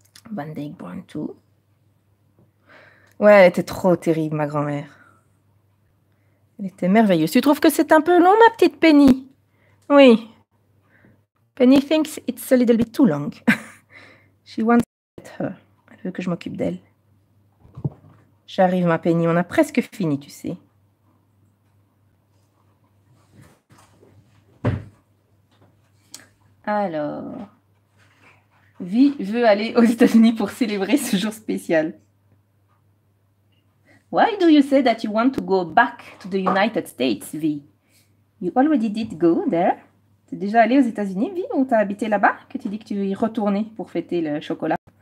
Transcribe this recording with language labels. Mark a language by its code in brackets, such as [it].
[fr] Van Dyke Brown tout. Ouais, elle était trop terrible, ma grand-mère. Elle était merveilleuse. Tu trouves que c'est un peu long, ma petite Penny? Oui. [en] Penny thinks it's a little bit too long. She wants to get her. [fr] Que je m'occupe d'elle. J'arrive, ma Penny, on a presque fini, tu sais. Alors, V veut aller aux États-Unis pour célébrer ce jour spécial. [en] Why do you say that you want to go back to the United States, V? You already did go there. [fr] T'es déjà allé aux États-Unis, V, ou t'as habité là-bas, que tu dis que tu veux y retourner pour fêter le chocolat?